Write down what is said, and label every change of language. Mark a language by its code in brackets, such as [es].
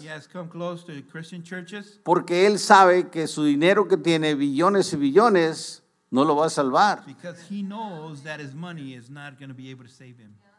[en] He has come close to Christian churches. [es] Porque él sabe que su dinero que tiene billones y billones no lo va a salvar. [en] Because he knows that his money is not going to be able to save him.